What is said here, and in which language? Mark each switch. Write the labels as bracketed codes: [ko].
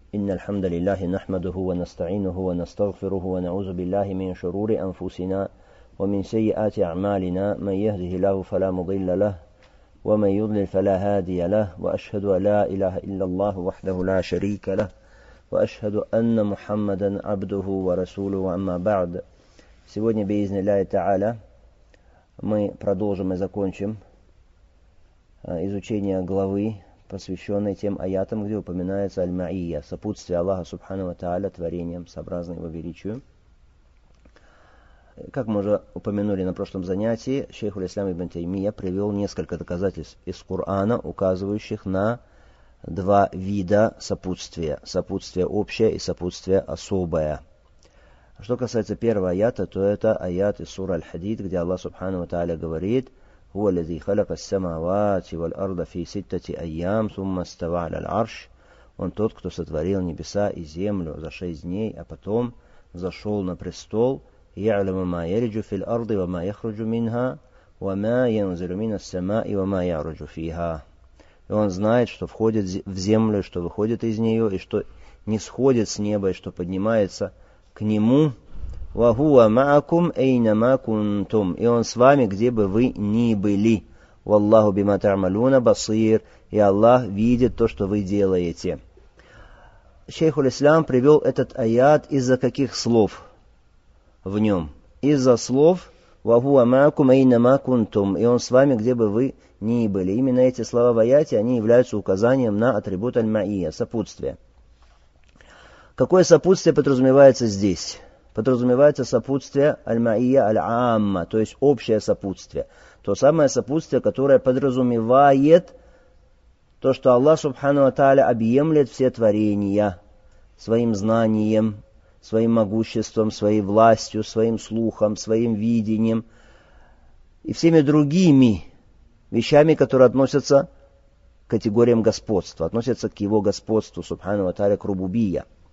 [ar] إن الحمد لله نحمده ونستعينه ونستغفره ونعوذ بالله من شرور أنفسنا ومن سيئات أعمالنا، من يهده الله فلا مضل له ومن يضلل فلا هادي له، وأشهد أن لا إله إلا الله وحده لا شريك له، وأشهد أن محمدا عبده ورسوله. وأما بعد، [ru] сегодня [ar] بإذن الله تعالى [ru] мы продолжим и закончим изучение главы, посвященной тем аятам, где упоминается Аль-Ма'ия, сопутствие Аллаха Субхану Ва Та'аля творением, сообразно его величию. Как мы уже упомянули на прошлом занятии, шейх Уль-Ислам Ибн Таймия привел несколько доказательств из Корана, указывающих на два вида сопутствия. Сопутствие общее и сопутствие особое. Что касается первого аята, то это аят из суры Аль-Хадид, где Аллах Субхану Ва Та'аля говорит: [ar] هو الذي خلق السماوات والأرض في ستة أيام ثم استوى على العرش. [ru] Он тот, кто сотворил небеса и землю за шесть дней, а потом зашел на престол. [ar] يعلم ما يلج في الأرض وما يخرج منها وما ينزل من السماء وما يعرج فيها. [ru] И он знает, что входит в землю, что выходит из нее, и что нисходит с неба, и что поднимается к нему. [ar] وَهُوَ مَعَكُمْ أَيْنَمَا كُنْتُمْ. [ru] И он с вами, где бы вы ни были. [ar] وَاللَّهُ بِمَا تَعْمَلُونَ بَصِيرٌ. [ru] И Аллах видит то, что вы делаете. Шейх Ислам привел этот аят из-за каких слов в нем? Из-за слов [ar] وَهُوَ مَعَكُمْ أَيْنَمَا كُنْتُمْ. [ru] И он с вами, где бы вы ни были. Именно эти слова в аяте, они являются указанием на атрибут Аль-Ма'ия, сопутствие. Какое сопутствие подразумевается здесь? Подразумевается сопутствие Аль-Ма'ия Аль-Амма, то есть общее сопутствие. То самое сопутствие, которое подразумевает то, что Аллах Субхану Ва Та'аля объемлет все творения своим знанием, своим могуществом, своей властью, своим слухом, своим видением и всеми другими вещами, которые относятся к категориям господства, относятся к его господству, Субхану Ва Та'аля, к рубубия.